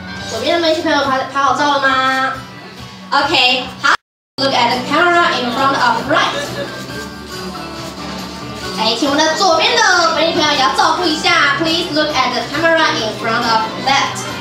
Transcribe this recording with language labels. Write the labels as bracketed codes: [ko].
[zh] 左边的媒体朋友拍好照了吗 ？OK， 好。 [en] Look at the camera in front of right. [zh] 哎，请我们的左边的媒体朋友也要照顾一下。 [en] Please look at the camera in front of left.